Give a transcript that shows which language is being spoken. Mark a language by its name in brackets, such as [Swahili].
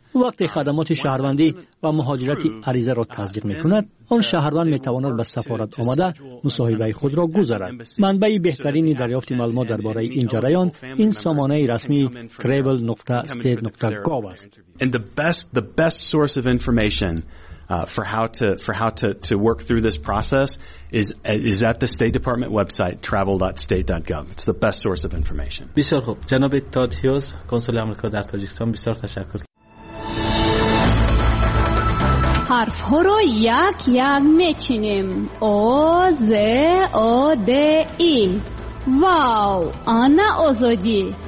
[Persian] وقتی خدمات شهروندی و مهاجرت عریضه را تصدیق می کند، آن شهروند می تواند به سفارت آمده مصاحبه خود را گذارد. منبع بهترین دریافت معلومات درباره این جریان این سامانه رسمی travel.state.gov است. [English] The best source of information for how to work through this process is at the State Department website travel.state.gov. It's the best source of information. [Persian] بسیار خوب، جناب تاد هیوز، کنسول آمریکا در تاجیکستان، بسیار تشکر. حرف ها رو یک یک میچینیم. او ز او د ای. واو، آنا آزادی.